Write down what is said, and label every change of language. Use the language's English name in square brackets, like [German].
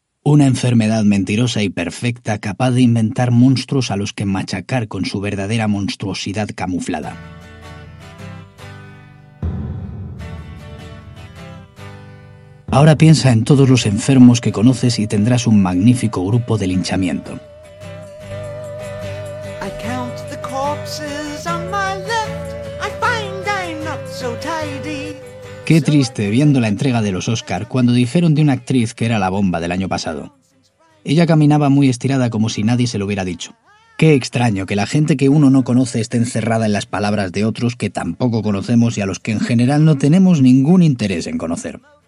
[Spanish] Una enfermedad mentirosa y perfecta, capaz de inventar monstruos a los que machacar con su verdadera monstruosidad camuflada. Ahora piensa en todos los enfermos que conoces y tendrás un magnífico grupo de linchamiento. [English] I count the corpses on my left. I find I'm not so tidy. [Spanish] Qué triste, viendo la entrega de los Oscar, cuando dijeron de una actriz que era la bomba del año pasado. Ella caminaba muy estirada como si nadie se lo hubiera dicho. Qué extraño que la gente que uno no conoce esté encerrada en las palabras de otros que tampoco conocemos y a los que en general no tenemos ningún interés en conocer.